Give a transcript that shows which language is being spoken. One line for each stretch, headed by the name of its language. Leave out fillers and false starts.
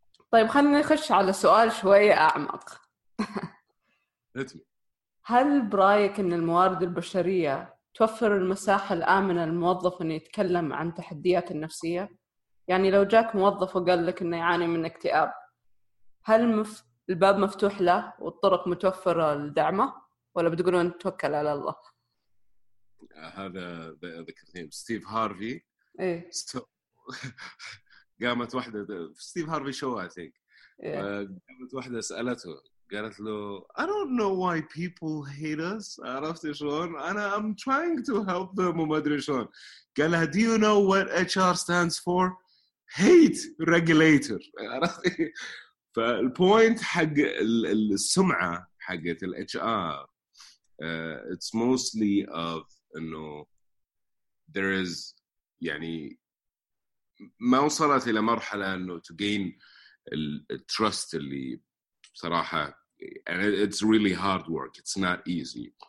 Arabic: طيب خلني نخش على سؤال شوي أعمق هل برأيك أن الموارد البشرية توفر المساحة الآمنة للموظف أن يتكلم عن تحديات النفسية؟ يعني لو جاك موظف وقال لك أنه يعاني من اكتئاب هل الباب مفتوح له والطرق متوفرة لدعمه؟ ولا بتقولون توكل على الله؟ هذا ذكر نيم ستيف هارفي إيه؟ قامت واحدة ستيف هارفي شو أعطيك إيه؟ قامت واحدة سألته قالت له
English: I don't know why people hate us
Arabic: عرفتي شلون أنا
English: I'm trying to help them
Arabic: وما أدري شلون قال لها
English: do you know what HR stands for hate regulator
Arabic: عرفتي فالpoint حق السمعة حق ال HR
English: it's mostly of
Arabic: إنه there is يعني ما وصلت إلى مرحلة إنه تجين التراست اللي بصراحة
English: and it's really hard work, it's not easy.